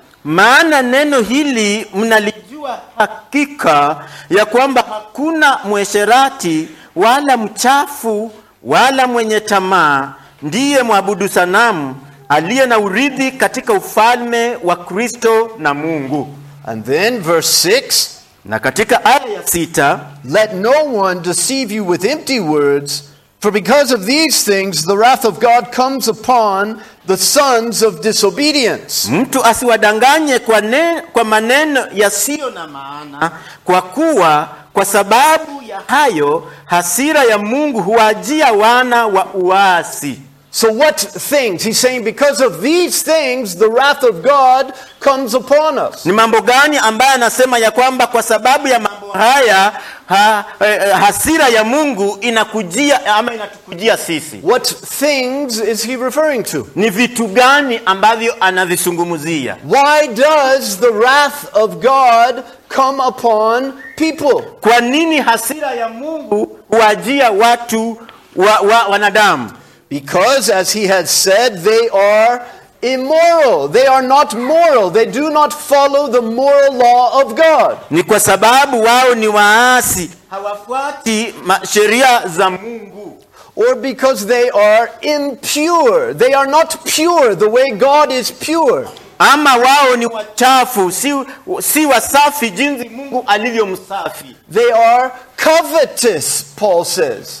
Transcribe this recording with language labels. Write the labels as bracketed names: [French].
[Swahili] Maana neno hili mnalijua hakika ya kwamba hakuna mwesherati wala mchafu wala mwenye tamaa ndiye mwabudu sanamu aliye na urithi katika ufalme wa Kristo na Mungu. [English] And then verse 6. [Swahili] Na katika aya ya 6, [English] "Let no one deceive you with empty words, for because of these things the wrath of God comes upon the sons of disobedience." [Swahili] Mtu asiwadanganye kwa maneno yasiyo na maana, kwa kuwa kwa sababu ya hayo hasira ya Mungu huwajia wana wa uasi. [English] So what things? He's saying because of these things the wrath of God comes upon us. [Swahili] Ni mambo gani ambayo anasema ya kwamba kwa sababu ya mambo haya hasira ya Mungu inakujia ama inatukujia sisi? [English] What things is he referring to? [Swahili] Ni vitu gani ambavyo anavizungumzia? [English] Why does the wrath of God come upon people? [Swahili] Kwa nini hasira ya Mungu huwajia watu wa wanadamu? [English] Because, as he has said, they are immoral. They are not moral. They do not follow the moral law of God. [Swahili] Ni kwa sababu wao ni waasi. Hawafuati sheria za Mungu. [English] Or because they are impure. They are not pure the way God is pure. [Swahili] Ama wao ni wachafu, si wasafi jinsi Mungu alivyo msafi. [English] They are covetous, Paul says.